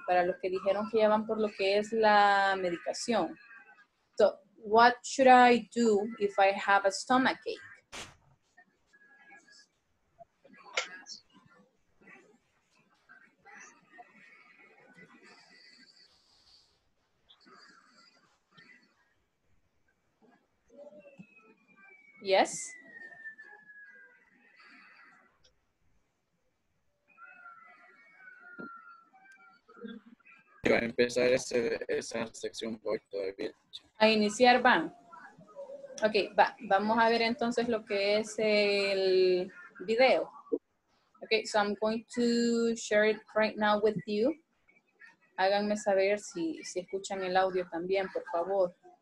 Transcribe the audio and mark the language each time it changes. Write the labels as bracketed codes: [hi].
[es] Para los que dijeron que ya van por lo que es la medicación. [en] So what should I do if I have a stomachache? Yes. [es] Yo a empezar esa sección voy todavía. A iniciar van. Ok, va. Vamos a ver entonces lo que es el video. [en] Ok, so I'm going to share it right now with you. [es] Háganme saber si escuchan el audio también, por favor.